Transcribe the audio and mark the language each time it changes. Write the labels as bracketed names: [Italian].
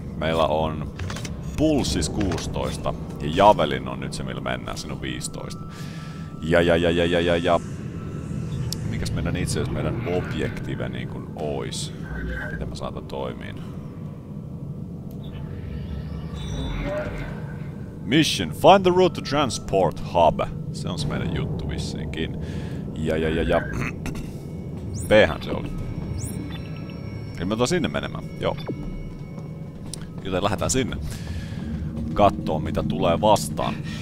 [Finnish] Meillä on pulssis 16. Ja javelin on nyt se, millä mennään. Siinä on 15. Ja. Mikäs meidän itse asiassa meidän objektive niin kuin ois? Miten mä saatan toimiin? [English] Mission. Find the route to transport hub. [Finnish] Se on se meidän juttu vissiinkin. Ja. B-hän se oli. Eli me otetaan sinne menemään. Joo. Joten lähdetään sinne. Kattoo, mitä tulee vastaan.